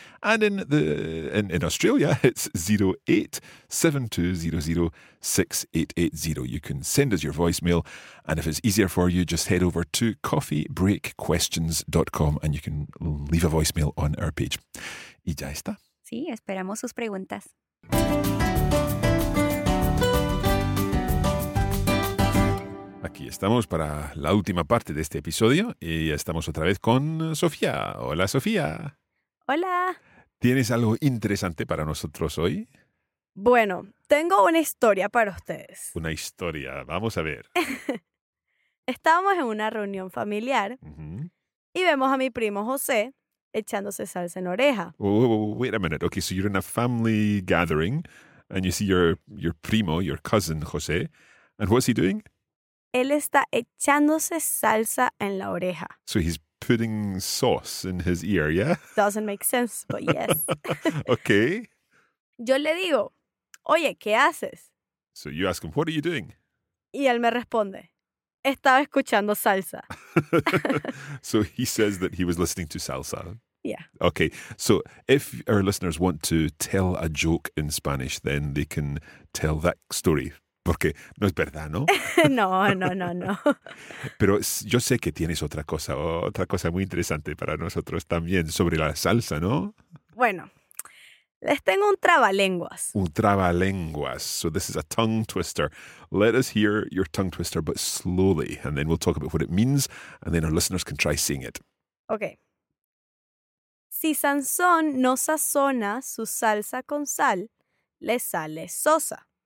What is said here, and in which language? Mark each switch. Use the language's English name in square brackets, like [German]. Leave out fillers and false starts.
[English] And in Australia, it's 0872006880. You can send us your voicemail. And if it's easier for you, just head over to coffeebreakquestions.com and you can leave a voicemail on our page. [Spanish] Y ya está. Sí, esperamos sus preguntas. A Aquí estamos para la última parte de este episodio y estamos otra vez con Sofía. Hola, Sofía. Hola. ¿Tienes algo interesante para nosotros hoy? Bueno, tengo una historia para ustedes. Una historia, vamos a ver. Estábamos en una reunión familiar uh-huh. y vemos a mi primo José echándose salsa en oreja. [English] Wait a minute. Okay, so you're in a family gathering and you see your primo, your cousin José, and what's he doing? Él está echándose salsa en la oreja. So he's putting sauce in his ear, yeah? Doesn't make sense, but yes. Okay. [Spanish] Yo le digo, oye, ¿qué haces? [English] So you ask him, what are you doing? [Spanish] Y él me responde, estaba escuchando salsa. [English] So he says that he was listening to salsa. Yeah. Okay, so if our listeners want to tell a joke in Spanish, then they can tell that story. [Spanish] Porque no es verdad, ¿no? No. Pero yo sé que tienes otra cosa muy interesante para nosotros también sobre la salsa, ¿no? Bueno, les tengo un trabalenguas. Un trabalenguas. [English] So this is a tongue twister. Let us hear your tongue twister, but slowly, and then we'll talk about what it means, and then our listeners can try saying it. [Spanish] Okay. Si Sansón no sazona su salsa con sal, le sale sosa.